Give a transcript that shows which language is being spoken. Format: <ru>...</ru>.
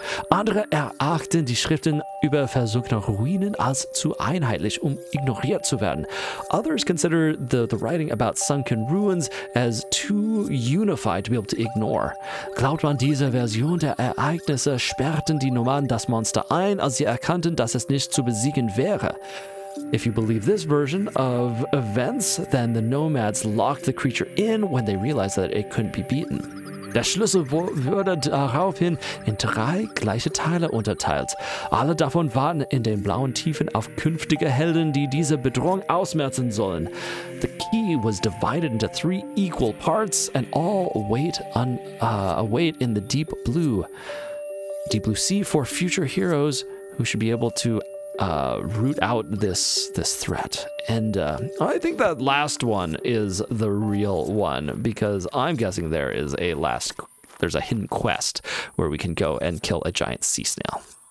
<de>Andere erachten die Schriften über versunkene Ruinen als zu einheitlich, um ignoriert zu werden.</de> <en>Others consider the writing about sunken ruins as too unified to be able to ignore.</en> <de>Glaubt man dieser Version der Ereignisse, sperrten die Nomaden das Monster ein, als sie erkannten, dass es nicht zu besiegen wäre.</de> <en>If you believe this version of events, then the nomads locked the creature in when they realized that it couldn't be beaten.</en> <de>Der Schlüssel wurde daraufhin in drei gleiche Teile unterteilt. Alle davon warten in den blauen Tiefen auf künftige Helden, die diese Bedrohung ausmerzen sollen.</de> <en>The key was divided into three equal parts and all await in the deep blue. Deep blue sea for future heroes who should be able to root out this threat. And I think that last one is the real one, because I'm guessing there's a hidden quest where we can go and kill a giant sea snail.</en>